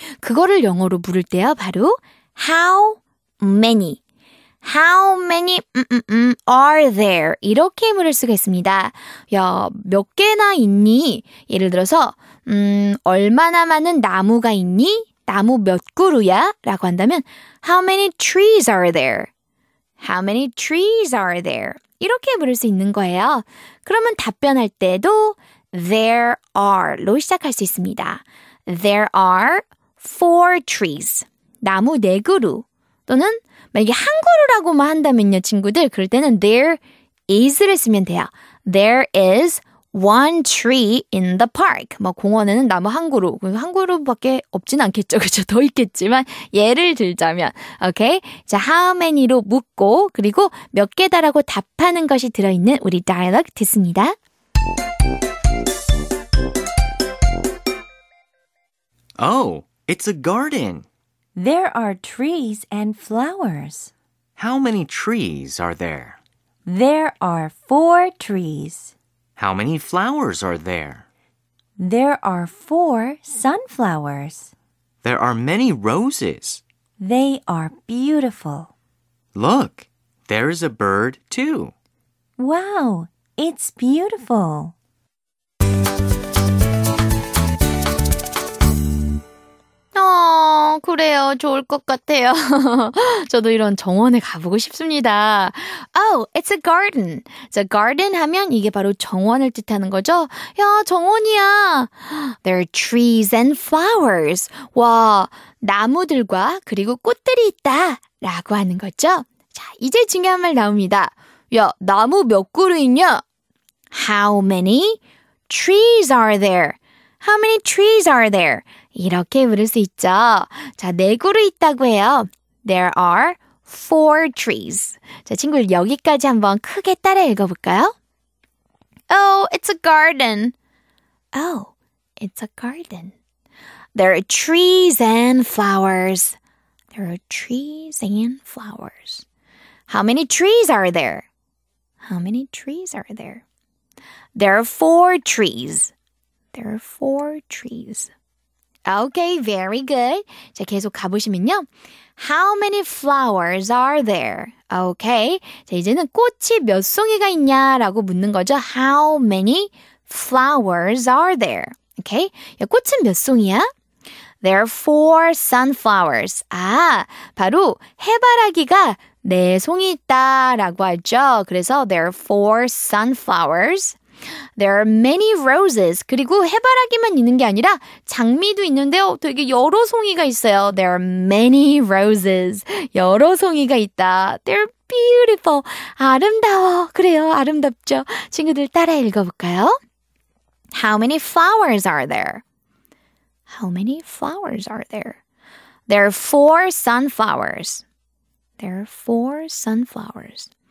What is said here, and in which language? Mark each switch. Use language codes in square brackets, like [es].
[ko] 그거를 영어로 물을 때요. [en] 바로 How many? How many are there? [ko] 이렇게 물을 수가 있습니다. 야, 몇 개나 있니? 예를 들어서 얼마나 많은 나무가 있니? 나무 몇 그루야? 라고 한다면 [en] How many trees are there? How many trees are there? [ko] 이렇게 물을 수 있는 거예요. 그러면 답변할 때도 There are로 시작할 수 있습니다. [en] There are four trees. [ko] 나무 네 그루. 또는 만약에 한 그루라고만 한다면요, 친구들. 그럴 때는 there is를 쓰면 돼요. [en] There is one tree in the park. [ko] 뭐 공원에는 나무 한 그루. 한 그루밖에 없진 않겠죠, 그렇죠? 더 있겠지만 예를 들자면. 오케이? 자, how many로 묻고 그리고 몇 개다라고 답하는 것이 들어있는 우리 dialogue 듣습니다. [en] Oh, it's a garden. There are trees and flowers. How many trees are there? There are four trees. How many flowers are there? There are four sunflowers. There are many roses. They are beautiful. Look, there is a bird too. Wow, it's beautiful. [ko] 그래요. 좋을 것 같아요. 저도 이런 정원에 가보고 싶습니다. [en] Oh, it's a garden. [ko] So garden 하면 이게 바로 정원을 뜻하는 거죠. 야, 정원이야. [en] There are trees and flowers. [ko] 와, 나무들과 그리고 꽃들이 있다. 라고 하는 거죠. 자, 이제 중요한 말 나옵니다. 야, 나무 몇 그루 있냐? [en] How many trees are there? How many trees are there? [ko] 이렇게 물을 수 있죠. 자, 네 그루 있다고 해요. [en] There are four trees. [ko] 자, 친구들 여기까지 한번 크게 따라 읽어볼까요? [en] Oh, it's a garden. Oh, it's a garden. There are trees and flowers. There are trees and flowers. How many trees are there? How many trees are there? There are four trees. There are four trees. Okay, very good. [ko] 자, 계속 가보시면요. [en] How many flowers are there? [ko] Okay, 자, 이제는 꽃이 몇 송이가 있냐라고 묻는 거죠. [en] How many flowers are there? [ko] Okay, 야, 꽃은 몇 송이야? [en] There are four sunflowers. [ko] 아, 바로 해바라기가 네 송이 있다라고 하죠. 그래서 [en] there are four sunflowers. There are many roses. [ko] 그리고 해바라기만 있는 게 아니라 장미도 있는데요. 되게 여러 송이가 있어요. [en] There are many roses. [ko] 여러 송이가 있다. [en] They're beautiful. [ko] 아름다워. 그래요. 아름답죠. 친구들 따라 읽어볼까요? [en] How many flowers are there? How many flowers are there? There are four sunflowers. There are four sunflowers.